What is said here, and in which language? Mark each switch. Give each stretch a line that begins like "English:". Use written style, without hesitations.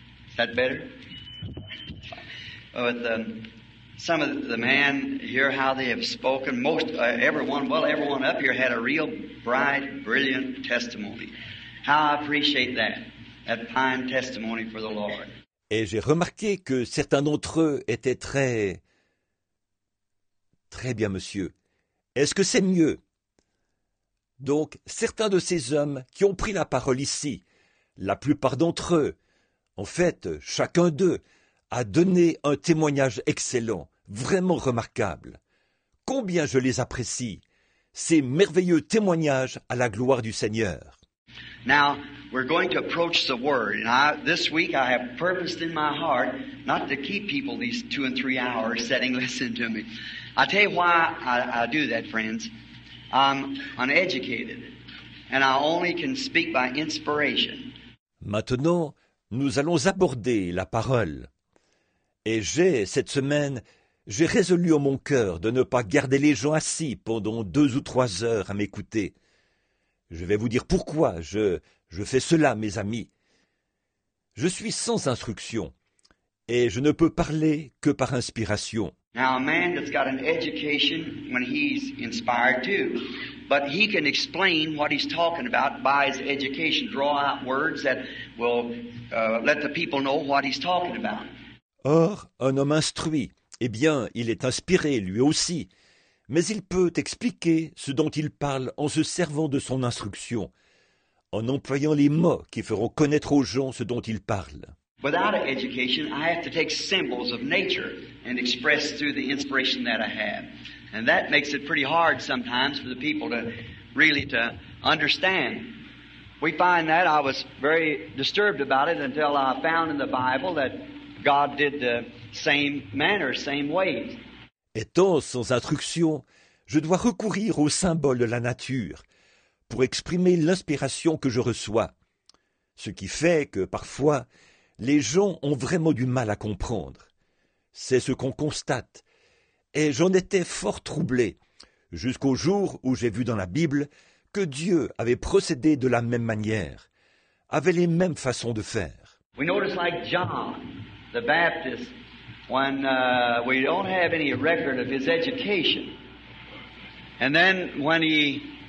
English: Is that better? Well, with some of the men here, how they have spoken, most everyone, well, everyone up here had a real bright, brilliant testimony. How I appreciate that, that fine testimony for the Lord.
French: Et j'ai remarqué que certains d'entre eux étaient très... Très bien, monsieur. Est-ce que c'est mieux? Donc, certains de ces hommes qui ont pris la parole ici, la plupart d'entre eux, en fait, chacun d'eux, a donné un témoignage excellent, vraiment remarquable. Combien je les apprécie, ces merveilleux témoignages à la gloire du Seigneur.
English: Now, we're going to approach the Word. And this week, I have purposed in my heart not to keep people these 2 and 3 hours sitting listening to me. I'll tell you why I do that, friends. I'm uneducated, and I only can speak by inspiration.
French: Maintenant, nous allons aborder la parole. Et j'ai, cette semaine, j'ai résolu en mon cœur de ne pas garder les gens assis pendant 2 ou 3 heures à m'écouter. Je vais vous dire pourquoi je fais cela, mes amis. Je suis sans instruction et je ne peux parler que par inspiration.
English: Now, a man that's got an education when he's inspired too, but he can explain what he's talking about by his education, draw out words that will let the people know what he's talking about.
French: Or, un homme instruit, eh bien, il est inspiré lui aussi. Mais il peut expliquer ce dont il parle en se servant de son instruction, en employant les mots qui feront connaître aux gens ce dont il parle.
English: Without an education, I have to take symbols of nature and express through the inspiration that I have. And that makes it pretty hard sometimes for the people to really to understand. We find that I was very disturbed about it until I found in the Bible that God did the same manner, same ways.
French: Étant sans instruction, je dois recourir aux symboles de la nature pour exprimer l'inspiration que je reçois, ce qui fait que parfois, les gens ont vraiment du mal à comprendre. C'est ce qu'on constate, et j'en étais fort troublé, jusqu'au jour où j'ai vu dans la Bible que Dieu avait procédé de la même manière, avait les mêmes façons de faire.
English: We notice like John, the Baptist. When we don't have any record of his education. And then when he